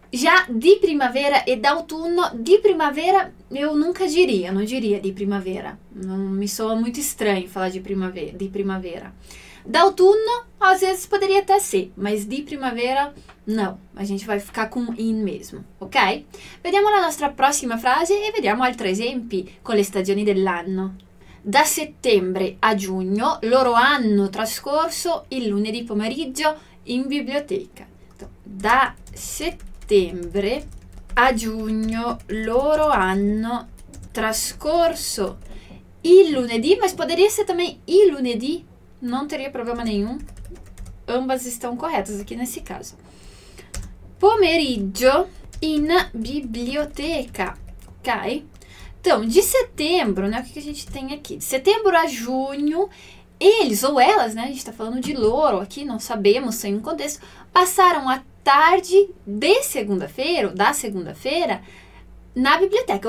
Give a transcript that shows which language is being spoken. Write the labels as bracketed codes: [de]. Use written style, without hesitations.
[pt] Já de primavera e d'autunno, de primavera eu nunca diria, não diria de primavera. Não me soa muito estranho falar de primavera. De primavera. D'autunno, às vezes poderia até ser, mas de primavera, não. A gente vai ficar com in mesmo, ok? [it] Vediamo la nostra prossima frase e vediamo altri esempi con le stagioni dell'anno. Da settembre a giugno loro hanno trascorso il lunedì pomeriggio in biblioteca. Da settembre a giugno loro hanno trascorso il lunedì, ma potrebbe essere anche il lunedì, non [pt] teria problema nenhum. Ambas estão corretas aqui nesse caso. [it] Pomeriggio in biblioteca, [pt] ok? Então, de setembro, né? O que a gente tem aqui? De setembro a junho, eles ou elas, né? A gente está falando de loro aqui, não sabemos, sem um contexto, passaram a tarde de segunda-feira, ou da segunda-feira, na biblioteca.